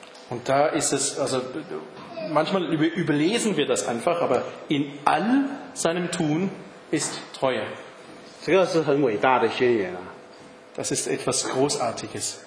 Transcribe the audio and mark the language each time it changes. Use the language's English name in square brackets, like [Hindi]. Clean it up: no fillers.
[German] Und da ist es, also manchmal überlesen wir das einfach, aber in all seinem Tun ist Treue. [Chinese] 这个是很伟大的宣言啊, [German] das ist etwas Großartiges.